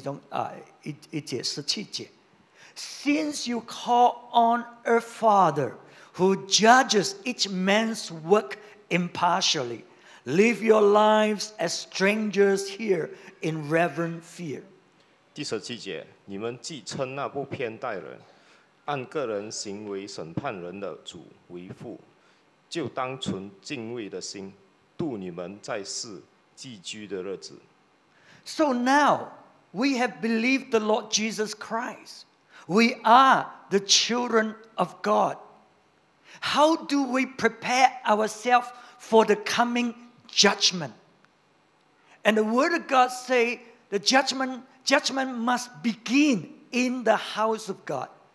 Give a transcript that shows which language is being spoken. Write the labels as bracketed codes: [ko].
[zh] 我们继续看下来的其中一节十七节。 [en] Since you call on a father who judges each man's work impartially, live your lives as strangers here in reverent fear. [zh] 第十七节,你们既称那不偏待人,按个人行为审判人的主为父,就当存敬畏的心,度你们在世寄居的日子。 [en] So now, we have believed the Lord Jesus Christ. We are the children of God. How do we prepare ourselves for the coming judgment? And the Word of God says the judgment must begin in the house of God.